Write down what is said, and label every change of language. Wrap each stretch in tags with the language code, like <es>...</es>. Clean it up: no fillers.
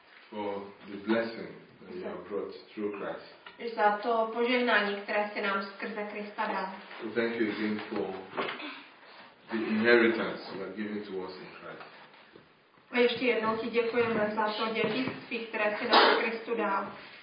<en>For the blessing that you have brought through Christ.</en> <cs>Za to požehnání, které jste nám skrze Krista dal.</cs> <en>So thank you again for the inheritance you have given to us in Christ.</en> <cs>A ještě jednou ti děkujeme za to dědictví, které jste nám v Kristu dal.</cs>